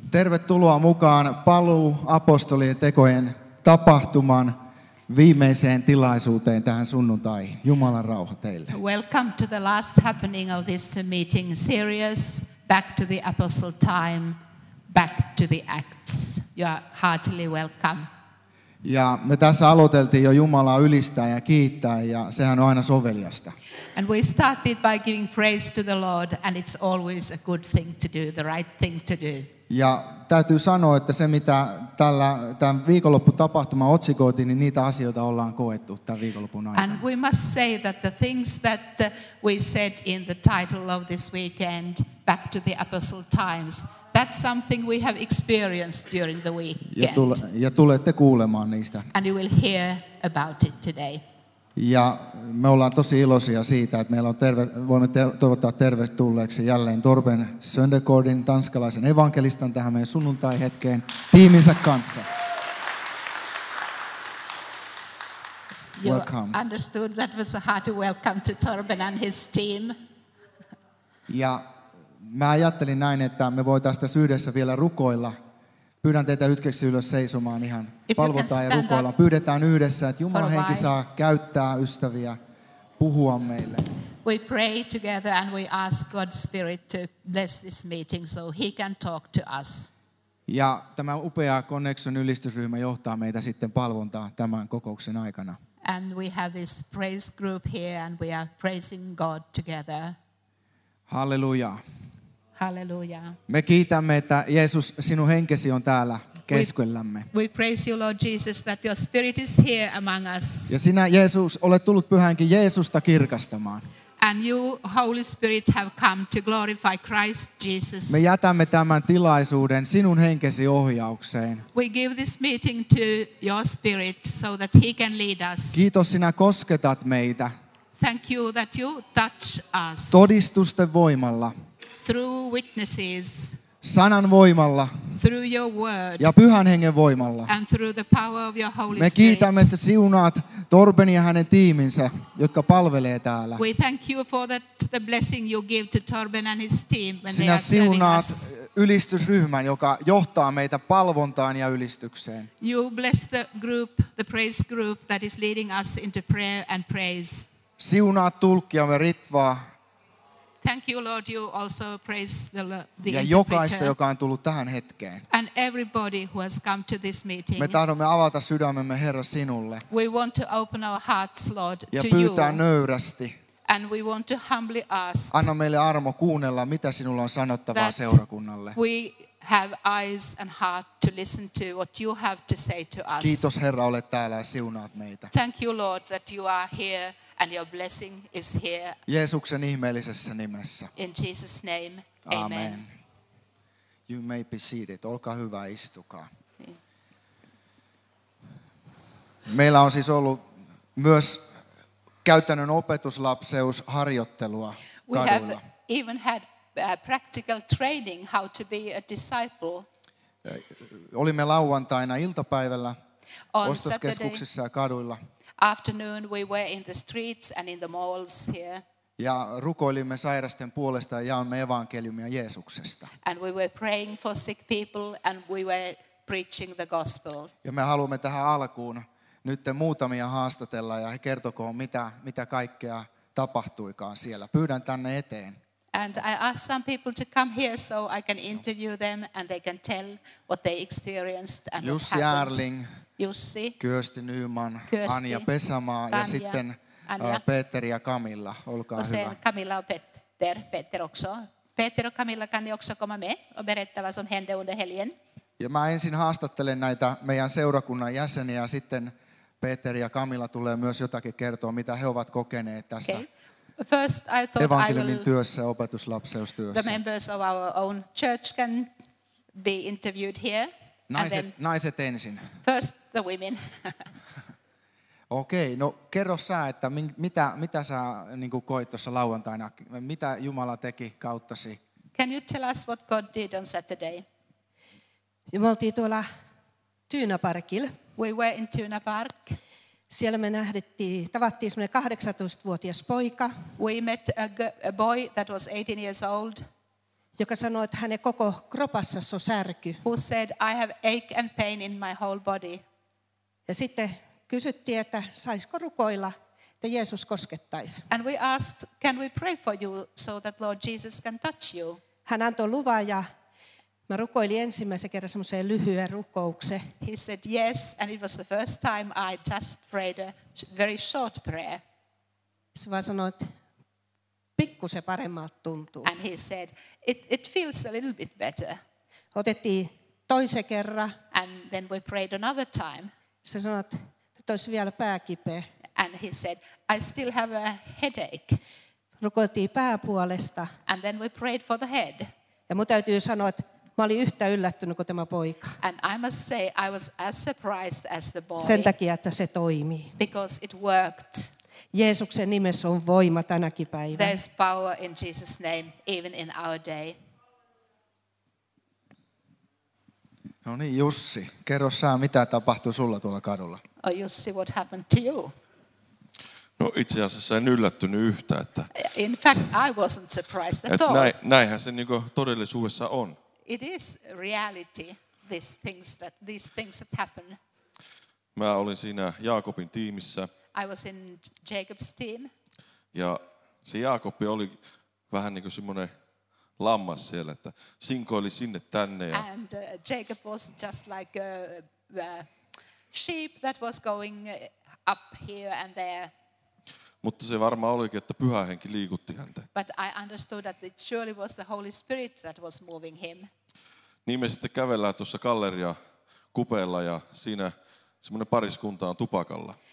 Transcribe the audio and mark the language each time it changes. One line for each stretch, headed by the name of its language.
Finnish: Tervetuloa mukaan paluu apostolien tekojen tapahtuman viimeiseen tilaisuuteen tähän sunnuntaihin. Jumalan rauha teille.
English: Welcome to the last happening of this meeting series, back to the apostle time, back to the Acts. You are heartily welcome.
Finnish: Ja me tässä aloiteltiin jo Jumalaa ylistää ja kiittää, ja sehän on aina soveliasta.
English: And we started by giving praise to the Lord, and it's always a good thing to do, the right thing to do.
Finnish: Ja täytyy sanoa, että se mitä tämän viikonlopputapahtuman otsikoitiin, niin niitä asioita ollaan koettu tämän viikonlopun aikana.
English: And we must say that the things that we said in the title of this weekend, back to the apostle times, that's something we have experienced during the weekend.
Finnish: Ja tulette kuulemaan niistä.
English: And you will hear about it today.
Finnish: Ja me ollaan tosi iloisia siitä, että meillä on voimme toivottaa tervetulleeksi jälleen Torben Söndergaardin, tanskalaisen evankelistan, tähän meidän sunnuntaihetkeen tiiminsä kanssa.
English: You welcome. Understood that was a hearty welcome to Torben and his team.
Finnish: Ja mä ajattelin näin, että me voitaisiin tässä yhdessä vielä rukoilla. Pyydän teitä hetkeksi ylös seisomaan ihan, palvotaan ja rukoillaan. Pyydetään yhdessä, että Jumalan henki saa käyttää ystäviä, puhua meille.
English: We pray together and we ask God's spirit to bless this meeting so he can talk to us.
Finnish: Ja tämä upea Connection ylistysryhmä johtaa meitä sitten palvontaa tämän kokouksen aikana.
English: And we have this praise group here and we are praising God together.
Finnish: Hallelujaa.
English: Hallelujah.
Finnish: Me kiitämme, että Jeesus, sinun henkesi on täällä keskellämme.
English: We praise you, Lord Jesus, that your spirit is here among us.
Finnish: Ja sinä, Jeesus, olet tullut pyhänkin Jeesusta kirkastamaan.
English: And you, Holy Spirit, have come to glorify Christ Jesus.
Finnish: Me jätämme tämän tilaisuuden sinun henkesi ohjaukseen.
English: We give this meeting to your spirit so that he can lead us.
Finnish: Kiitos, sinä kosketat meitä.
English: Thank you that you touch us.
Finnish: Todistusten voimalla.
English: Through witnesses,
Finnish: sanan voimalla,
English: through your word,
Finnish: ja pyhän hengen voimalla,
English: and through the power of your Holy
Finnish: me kiitämme, että siunaat Torben ja hänen tiiminsä, jotka palvelee täällä.
English: We thank you for that, the blessing you give to Torben and his team when
Finnish: sinä
English: they are serving us.
Finnish: Sinä siunaat ylistysryhmän, joka johtaa meitä palvontaan ja ylistykseen.
English: You bless the group, the praise group that is leading us into prayer and praise.
Finnish: Siunaat tulkkiamme Ritvaa.
English: Thank you, Lord. You also praise the interpreter.
Finnish: Ja jokaista, joka on tullut tähän hetkeen.
English: And everybody who has come to this meeting.
Finnish: Me tahdomme avata sydämemme, Herra, sinulle.
English: We want to open our hearts, Lord, to you.
Finnish: Ja pyytää nöyrästi.
English: And we want to humbly ask.
Finnish: Anna meille armo kuunnella, mitä sinulla on sanottavaa seurakunnalle.
English: We have eyes and heart to listen to what you have to say to us.
Finnish: Kiitos, Herra, olet täällä ja siunaat meitä.
English: Thank you, Lord, that you are here. And your blessing is here.
Finnish: Jeesuksen ihmeellisessä nimessä.
English: In Jesus' name, amen. Amen. You may be seated.
Finnish: Olkaa hyvä, istukaa. Meillä on siis ollut myös käytännön opetuslapseusharjoittelua kadulla.
English: We have even had practical training how to be a disciple.
Finnish: Olimme lauantaina iltapäivällä ostoskeskuksissa ja kaduilla.
English: Afternoon we were in the streets and in the malls here.
Finnish: Ja rukoilimme sairasten puolesta ja jaamme evankeliumia Jeesuksesta.
English: And we were praying for sick people and we were preaching the gospel.
Finnish: Ja me haluamme tähän alkuun nyt muutamia haastatella ja kertokoon mitä kaikkea tapahtuikaan siellä. Pyydän tänne eteen.
English: And I asked some people to come here so I can interview them and they can tell what they experienced and
Finnish: Jussi
English: what happened.
Finnish: Arling. Jussi, Kyösti Nyman, Kyösti, Anja Pesamaa, Tanja, ja sitten Peteri ja Kamilla, olkaa sen, hyvä.
Swedish: Kamilla on Peter också. Peter och Kamilla kan ni också komma med och berätta vad som hände under helgen.
Finnish: Ja mä ensin haastattelen näitä meidän seurakunnan jäseniä ja sitten Peteri ja Kamilla tulee myös jotakin kertoa, mitä he ovat kokeneet tässä.
English: Okay. First I thought
Finnish: evankeliumin
English: I will,
Finnish: työssä, opetuslapseustyössä.
English: The members of our own church can be interviewed here.
Finnish: Naiset ensin.
English: First the women.
Finnish: Okei, okay, no kerro sä, että mitä sä niin kuin koit tuossa lauantaina? Mitä Jumala teki kauttasi?
English: Can you tell us what God did on Saturday?
Finnish: Me oltiin tuolla Tyynäparkilla.
English: We were in Tyynä Park.
Finnish: Siellä me tavattiin semmoinen 18-vuotias poika.
English: We met a boy that was 18 years old.
Finnish: joka sanoi, että hänen koko kropassa on särky.
English: Who said I have ache and pain in my whole body.
Finnish: Ja sitten kysyttiin, että saisiko rukoilla, että Jeesus koskettaisi.
English: And we asked, can we pray for you so that Lord Jesus can touch you?
Finnish: Hän antoi luvan ja mä rukoilin ensimmäisen kerran semmoiseen lyhyen rukouksen.
English: He said yes, and it was the first time I just prayed a very short prayer.
Finnish: Se vaan sanoi, että pikkusen paremmalta tuntuu.
English: And he said, it feels a little bit better.
Finnish: Otettiin toisen kerran.
English: And then we prayed another time.
Finnish: Se sanoi, että olisi vielä pääkipeä.
English: And he said, I still have a headache.
Finnish: Rukoiltiin pääpuolesta.
English: And then we prayed for the head.
Finnish: Ja mun täytyy sanoa, että mä olin yhtä yllättynyt kuin tämä poika.
English: And I must say, I was as surprised as the boy.
Finnish: Sen takia, että se toimii.
English: Because it worked.
Finnish: Jeesuksen nimessä on voima tänäkin päivänä.
English: There's power in Jesus' name, even in our day.
Finnish: No niin, Jussi, kerro sä, mitä tapahtui sulla tuolla kadulla?
English: Oh, Jussi, what happened to you?
Finnish: No itse asiassa en yllättynyt yhtä, että...
English: In fact, I wasn't surprised at all.
Finnish: Näinhän se niinku todellisuudessa on.
English: It is reality, these things that happen.
Finnish: Mä olin siinä Jaakobin tiimissä.
English: I was in Jacob's team.
Finnish: Ja se Jaakobi oli vähän niin kuin semmoinen lammas siellä, että sinkoili sinne tänne. Ja...
English: And Jacob was just like a sheep that was going up here and there.
Finnish: Mutta se varmaan olikin, että Pyhä Henki liikutti häntä.
English: But I understood that it surely was the Holy Spirit that was moving him.
Finnish: Niin me sitten kävellään tuossa galleria kupeella ja siinä semmoinen pariskunta on tupakalla.